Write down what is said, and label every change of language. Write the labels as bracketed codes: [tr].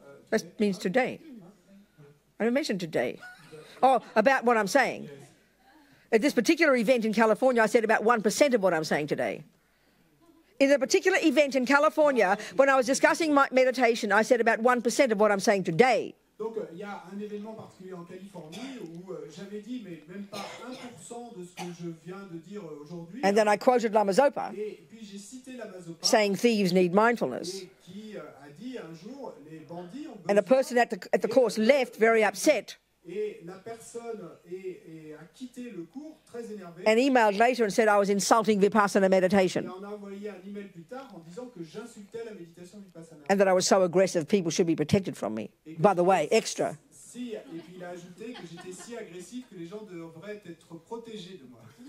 [en] That means today. I didn't mention today. Oh, about what I'm saying. At this particular event in California, I said about 1% of what I'm saying today. In the particular event in California, when I was discussing my meditation, I said about 1% of what I'm saying today. [fr] Donc, il y a un événement particulier en Californie où j'avais dit, mais même pas 1% de ce que je viens de dire aujourd'hui. [en] And then I quoted Lama Zopa. [fr] Et puis j'ai cité Lama Zopa. [en] Saying thieves need mindfulness. [fr] Et qui a dit un jour, les bandits ont besoin. [en] And a person at the course left very upset. [fr] Et la personne a quitté le cours très énervée. [en] And emailed later and said I was insulting Vipassana meditation. [fr] Et on a envoyé un email plus tard en disant que j'insultais la méditation Vipassana. [en] And that I was so aggressive, people should be protected from me. By the way, extra. [fr] Si, et puis il a ajouté que j'étais si agressif que les gens devraient être protégés de moi.